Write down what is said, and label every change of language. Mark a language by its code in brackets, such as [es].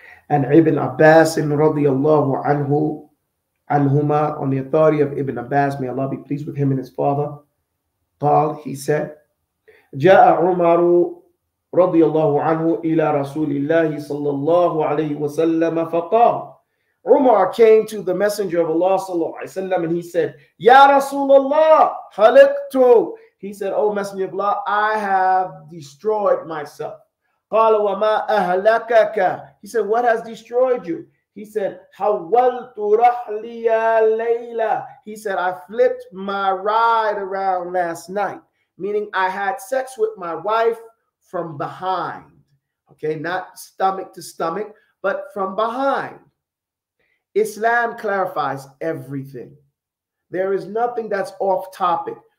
[en] And Ibn Abbas radiallahu anhu, anhuma, on the authority of Ibn Abbas, may Allah be pleased with him and his father, قال, he said, جاء عمر رضي الله عنه إلى رسول الله صلى الله عليه وسلم فقال. Umar came to the messenger of Allah صلى الله عليه وسلم and he said, يا رسول الله خلقت. He said, oh messenger of Allah, I have destroyed myself. [ar] قال وما أهلكك. [en] He said, what has destroyed you? He said, حولت رحلي ليلة. He said, I flipped my ride around last night. Meaning I had sex with my wife from behind. Okay, not stomach to stomach, but from behind. Islam clarifies everything. There is nothing that's off topic.